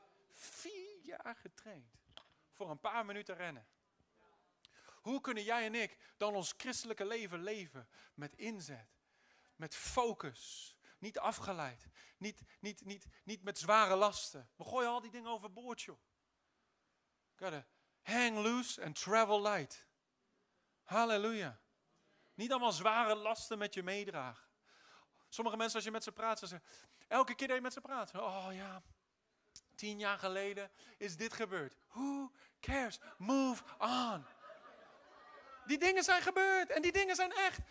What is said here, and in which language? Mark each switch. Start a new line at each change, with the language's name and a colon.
Dutch: 4 jaar getraind voor een paar minuten rennen. Hoe kunnen jij en ik dan ons christelijke leven leven met inzet? Met focus, niet afgeleid, niet met zware lasten. We gooien al die dingen overboord, joh.
English: Gotta hang loose and travel light.
Dutch: Halleluja. Niet allemaal zware lasten met je meedragen. Sommige mensen, als je met ze praat, zeggen elke keer dat je met ze praat. Oh ja, 10 jaar geleden is dit gebeurd.
English: Who cares? Move on.
Dutch: Die dingen zijn gebeurd en die dingen zijn echt.